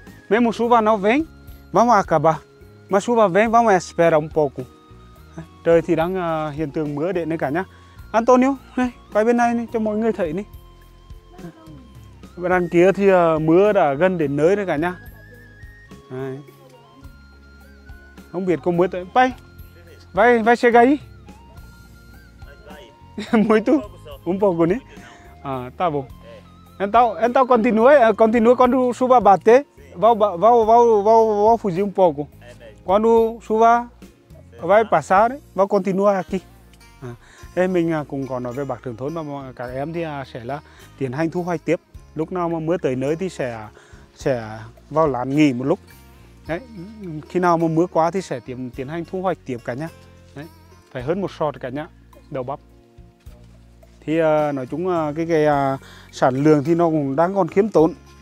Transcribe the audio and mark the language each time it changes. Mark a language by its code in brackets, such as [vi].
[pt] Mesmo chuva não vem, vamos acabar. Mas chuva vem, vamos esperar pouco. [vi] Trời thì đang hiện tượng mưa điện đấy cả nhá. Antonio, này, quay bên này cho mọi người thấy đi. Bên đằng kia thì mưa đã gần đến nơi đấy cả nhá. Không biết có mưa tới. [pt] Vai chega aí. Muito, um pouco, né? Ah, tá bom. Então continue quando chuva bater, vou fugir um pouco. Quando chuva vai passar, vou continuar aqui. [vi] Ah, em mình cũng có nói với bác trưởng thôn mà các em thì sẽ là tiến hành thu hoạch tiếp. Lúc nào mà mưa tới nơi thì sẽ vào lán nghỉ một lúc. Đấy, khi nào mà mưa quá thì sẽ tiến hành thu hoạch tiếp cả nhá. Đấy, phải hơn một sọt cả nhá, đầu bắp. Thì nói chung là cái sản lượng thì nó cũng đang còn khiêm tốn.